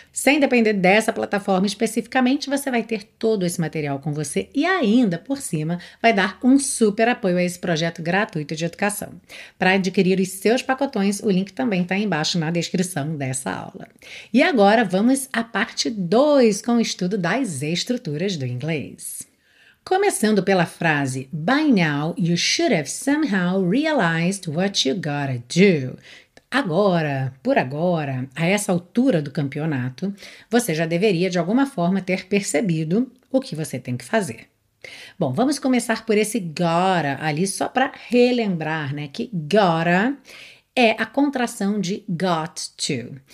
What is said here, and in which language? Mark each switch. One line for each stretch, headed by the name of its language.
Portuguese: Sem depender dessa plataforma especificamente, você vai ter todo esse material com você e ainda, por cima, vai dar um super apoio a esse projeto gratuito de educação. Para adquirir os seus pacotões, o link também está embaixo na descrição dessa aula. E agora, vamos à parte 2 com o estudo das estruturas do inglês. Começando pela frase,
English: by now you should have somehow realized what you gotta do.
Portuguese: Agora, por agora, a essa altura do campeonato, você já deveria de alguma forma ter percebido o que você tem que fazer. Bom, vamos começar por esse gotta ali, só para relembrar, né, que gotta é a contração de got to.